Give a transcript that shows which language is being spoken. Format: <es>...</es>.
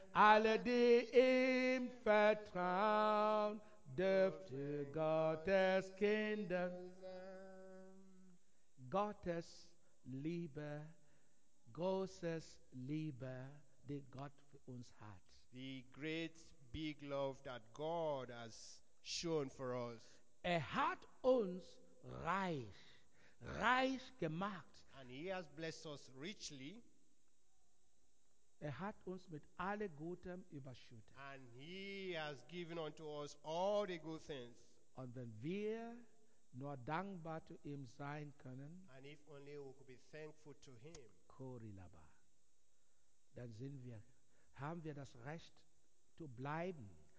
<de>Alle, die ihm vertrauen, dürften Gottes Kinder sein. Gottes Liebe, großes Liebe, die Gott für uns hat.</de> <en>The great big love that God has shown for us.</en> <de>Hat uns reich gemacht.</de> <en>And he has blessed us richly.</en> <de>Hat uns mit alle Gutem überschüttet.</de> <en>And he has given unto us all the good things.</en> <de>Und wenn wir nur dankbar zu ihm sein können,</de> <en>and if only we could be thankful to him,</en> <de>Korilaba, dann sind wir, haben wir das Recht zu bleiben.</de>